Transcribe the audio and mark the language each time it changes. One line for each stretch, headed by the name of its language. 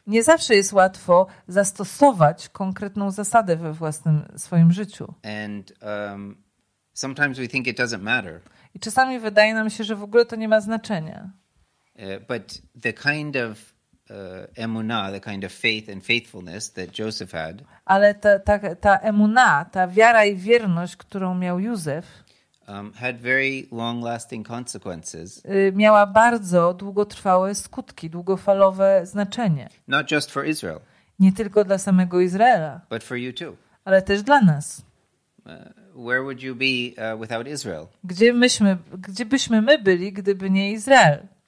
Polish: Nie zawsze jest łatwo zastosować konkretną zasadę we własnym swoim życiu.
English: And sometimes we think it doesn't matter.
Polish: I czasami wydaje nam się, że w ogóle to nie ma znaczenia.
English: But the kind of emuna, the kind of faith and faithfulness that Joseph had.
Polish: Ale ta emuna, ta wiara i wierność, którą miał Józef,
English: had very long-lasting consequences.
Polish: Miała bardzo długotrwałe skutki, długofalowe znaczenie.
English: Not just for Israel.
Polish: Nie tylko dla samego Izraela.
English: But for you too.
Polish: Ale też dla nas.
English: Where would you be without Israel?
Polish: Gdzie byśmy my byli, gdyby nie Izrael?